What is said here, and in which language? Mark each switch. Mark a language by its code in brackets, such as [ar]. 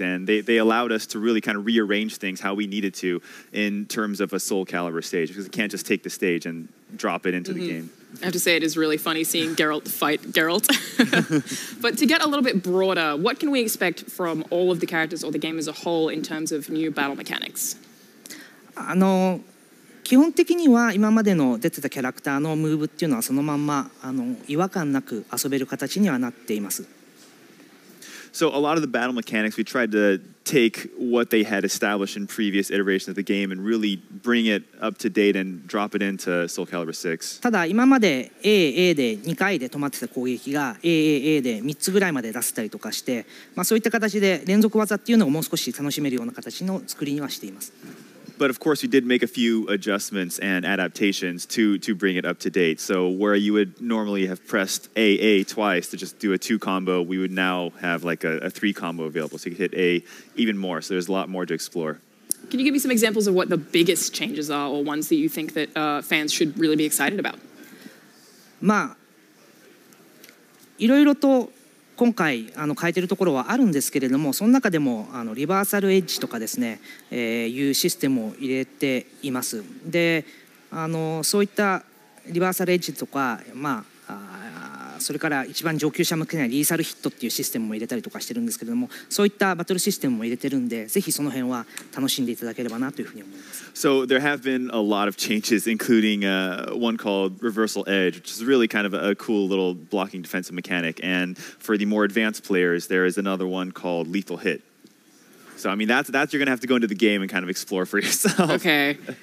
[en] And they allowed us to really kind of rearrange things how we needed to in terms of a Soul Calibur stage. Because we can't just take the stage and drop it into the game. I have to say, it is really funny seeing Geralt fight Geralt. But to get a little bit broader, what can we expect from all of the characters or the game as a whole in terms of new battle mechanics? [ja] あの基本的には今までの出てたキャラクターのムーブっていうのはそのまんまあの違和感なく遊べる形にはなっています。 [en] So a lot of the battle mechanics, we tried to take what they had established in previous iterations of the game and really bring it up to date and drop it into Soul Calibur 6. [ja] ただ今まで AA で2回で止まってた攻撃が AAA で3つぐらいまで出せたりとかして、まあ、そういった形で連続技っていうのをもう少し楽しめるような形の作りにはしています。 [en] But of course, we did make a few adjustments and adaptations to bring it up to date. So where you would normally have pressed AA twice to just do a two combo, we would now have like a three combo available. So you could hit A even more. So there's a lot more to explore. Can you give me some examples of what the biggest changes are or ones that you think that fans should really be excited about? [ja] まあ、いろいろと今回あの変えてるところはあるんですけれども、その中でもあのリバーサルエッジとかですね、いうシステムを入れています。で、あのそういったリバーサルエッジとか、まあ、それから一番上級者向けにはリーサルヒットっていうシステムも入れたりとかしてるんですけれども、そういったバトルシステムも入れてるんで、ぜひその辺は楽しんでいただければなというふうに思います。 [en] So there have been a lot of changes, including one called Reversal Edge, which is really kind of a cool little blocking defensive mechanic. And for the more advanced players, there is another one called Lethal Hit. So, I mean, that's you're going to have to go into the game and kind of explore for yourself. Okay.